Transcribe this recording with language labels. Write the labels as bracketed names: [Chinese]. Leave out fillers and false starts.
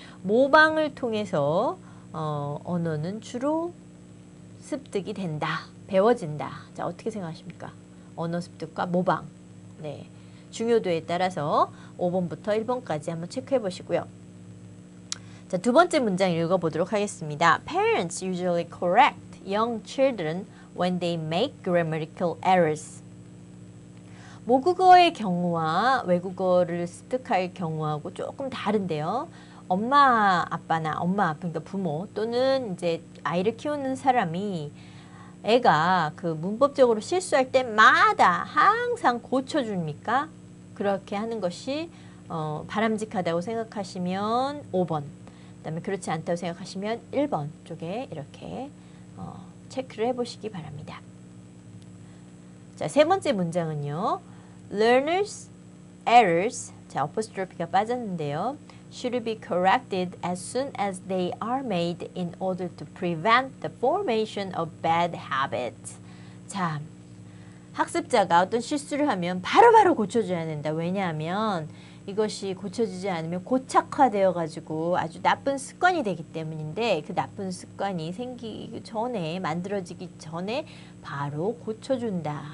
[Korean] 모방을 통해서 언어는 주로 습득이 된다. 배워진다. 자, 어떻게 생각하십니까? 언어 습득과 모방. 네. 중요도에 따라서 5번부터 1번까지 한번 체크해 보시고요. 자, 두 번째 문장 읽어보도록 하겠습니다. [English] Parents usually correct young children when they make grammatical errors. [Korean] 모국어의 경우와 외국어를 습득할 경우하고 조금 다른데요. 엄마, 아빠나 엄마, 그러니까 부모 또는 이제 아이를 키우는 사람이 애가 그 문법적으로 실수할 때마다 항상 고쳐줍니까? 그렇게 하는 것이 바람직하다고 생각하시면 5번. 그다음에 그렇지 않다고 생각하시면 1번 쪽에 이렇게 체크를 해보시기 바랍니다. 자, 세 번째 문장은요. [English] Learners errors, [Korean] 자, apostrophe가 빠졌는데요. [English] Should be corrected as soon as they are made in order to prevent the formation of bad habits. [Korean] 자, 학습자가 어떤 실수를 하면 바로바로 고쳐줘야 된다. 왜냐하면 이것이 고쳐지지 않으면 고착화되어 가지고 아주 나쁜 습관이 되기 때문인데 그 나쁜 습관이 생기기 전에 만들어지기 전에 바로 고쳐준다.